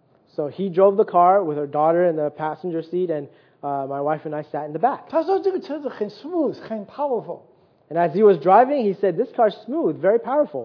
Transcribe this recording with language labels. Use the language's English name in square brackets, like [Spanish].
[English] So he drove the car with her daughter in the passenger seat and. My wife and I sat in the back. [Chinese] 他说这个车子很 smooth, 很 powerful. [English] And as he was driving, he said, this car is smooth, very powerful.